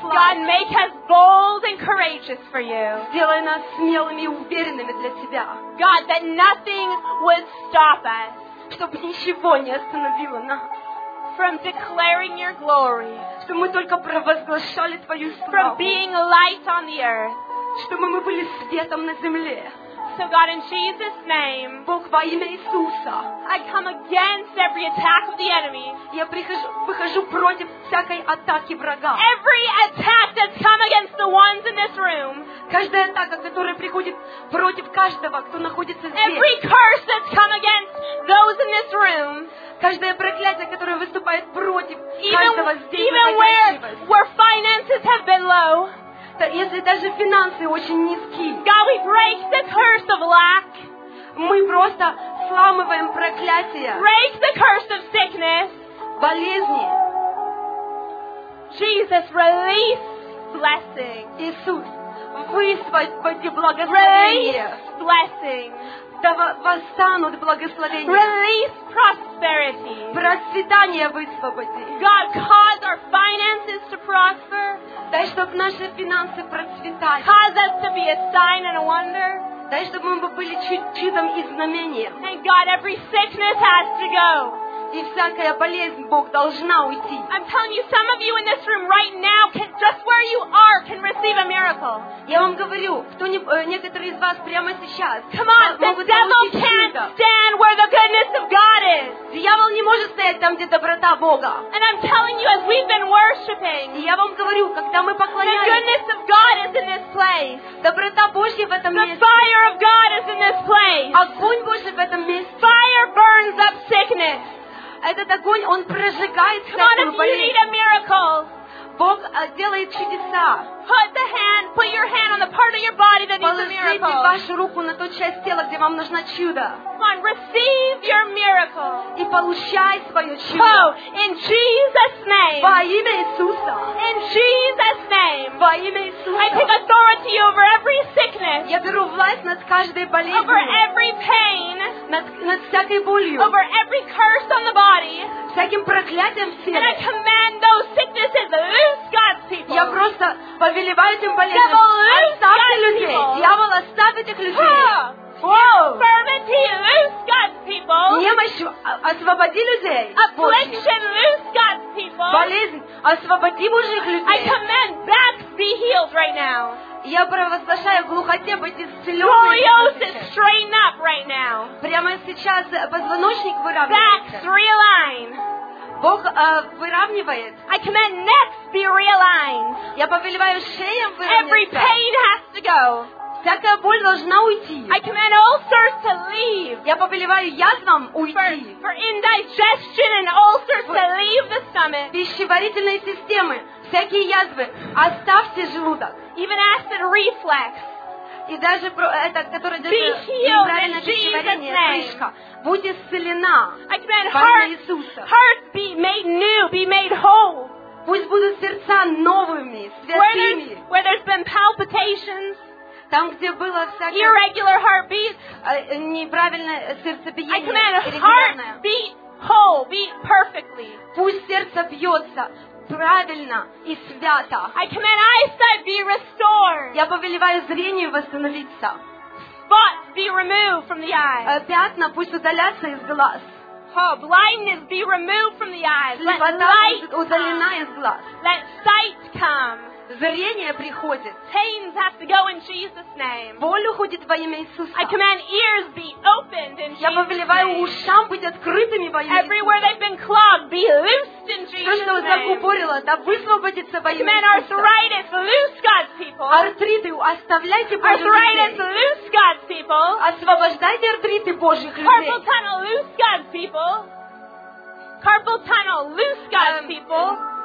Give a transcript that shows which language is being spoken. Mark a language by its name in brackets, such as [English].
[English] God, make us bold and courageous for you. [Russian] Сделай нас смелыми и уверенными для тебя. [English] God, that nothing would stop us. [Russian] Чтобы ничего не остановило нас. [English] From declaring your glory. [Russian] Чтобы мы только провозглашали твою славу. [English] From being light on the earth. [Russian] Чтобы мы были светом на земле. [English] So God, in Jesus' name, [Russian] Бог во имя Иисуса, [English] I come against every attack of the enemy. [Russian] Я выхожу против всякой атаки врага. [English] Every attack that's come against the ones in this room. [Russian] Каждая атака, которая приходит против каждого, кто находится здесь. [English] Every curse that's come against those in this room. [Russian] Каждое проклятие, которое выступает против каждого здесь. [English] Even where finances have been low. [Russian] Если даже финансы очень низки, [English] God, we break the curse of lack. [Russian] Мы просто сламываем проклятие. [English] Break the curse of sickness. [Russian] Болезни. [English] Jesus, release blessing. [Russian] Иисус, высвободи благословение. [English] Release blessing. [Russian] Да восстанут благословения. [English] Release prosperity. [Russian] Процветание высвободи. [English] God, cause our finances to prosper. [Russian] Дай, чтобы наши финансы процветали. [English] Cause us to be a sign and a wonder. [Russian] Дай, чтобы мы были чудом и знамением. [English] And God, every sickness has to go. [Russian] И всякая болезнь, Бог, должна уйти. [English] I'm telling you, some of you in this room right now, can, just where you are, can receive a miracle. [Russian] Я вам говорю, некоторые из вас прямо сейчас. [English] Come on, the devil can't stand where the goodness of God is. [Russian] Дьявол не может стоять там, где доброта Бога. [English] And I'm telling you, as we've been worshiping, [Russian] я вам говорю, когда мы поклоняемся, [English] the goodness of God is in this place. [Russian] Доброта Божья в этом [English] the [Russian] месте. [English] The fire of God is in this place. [Russian] Огонь Божий в этом месте. [English] Fire burns up sickness. [Russian] Этот огонь, он прожигает всякую болезнь. Бог делает чудеса. [English] Put your hand on the part of your body that needs a miracle. [Russian] Положите вашу руку на ту часть тела, где вам нужно чудо. [English] Come on, receive your miracle. [Russian] И получай свое чудо. [English] Oh, in Jesus' name. [Russian] Во имя Иисуса. [English] In Jesus' name. [Russian] Во имя Иисуса. [English] I take authority over every sickness. [Russian] Я беру власть над каждой болезнью. [English] Over every pain. [Russian] Над всякой болью. [English] Over every curse on the body. [Russian] Всяким проклятием в теле. [English] And I command those sicknesses loose, God's people. [Russian] Я просто повелеваю этим болезням. Оставьте людей. Дьявол, оставь этих людей. [English] Infirmity, loose God's people. [Russian] Немощь, освободи людей. [English] Affliction, loose God's people. [Russian] Болезнь, освободи мужих людей. [English] I command backs be healed right now. [Russian] Я провозглашаю глухоте быть исцеленной. [English] Scoliosis, straighten up right now. [Russian] Прямо сейчас позвоночник выравнивается. [English] Backs realign. [Russian] Бог выравнивает. [English] I command necks be realigned. [Russian] Я повелеваю шеям выравниваться. [English] Every pain has to go. [Russian] Всякая боль должна уйти. [English] I command ulcers to leave. [Russian] Я повелеваю язвам уйти. [English] For indigestion and ulcers to leave the stomach. [Russian] Пищеварительной системы всякие язвы оставьте желудок. [English] Even acid reflux. [Russian] И даже это, которое держит неправильное пищеварение, крышка, будь исцелена во имя Иисуса. [English] Hearts be made new, be made whole. [Russian] Пусть будут сердца новыми, святыми. [English] Where there's been palpitations, [Russian] там, где было всякое [English] irregular heartbeat, [Russian] неправильное сердцебиение, [English] I command heart beat whole, beat perfectly. [Russian] Пусть сердце бьется правильно и свято. [English] I command eyesight be restored. [Russian] Я повелеваю зрению восстановиться. [English] Spots be removed from the eyes. [Russian] Пятна пусть удалятся из глаз. [English] Oh, blindness be removed from the eyes. [Russian] Слепота [English] light [Russian] удалена из глаз. [English] Let sight come. [Russian] Зрение приходит. [English] Pains have to go in Jesus' name. [Russian] Боль уходит во имя Иисуса. [English] I command ears be opened in Jesus' name. [Russian] Я повелеваю ушам быть открытыми во имя Иисуса. [English] Everywhere they've been clogged, be loosed in Jesus' name. [Russian] То, что закупорило, да высвободится во имя Иисуса. [English] I command arthritis, loose God's people. [Russian] Артриты, оставляйте Божьих людей. [English] Arthritis, loose God's people. [Russian] Освобождайте артриты Божьих людей. [English] Carpal tunnel, loose God's people. Carpal tunnel, loose God's people.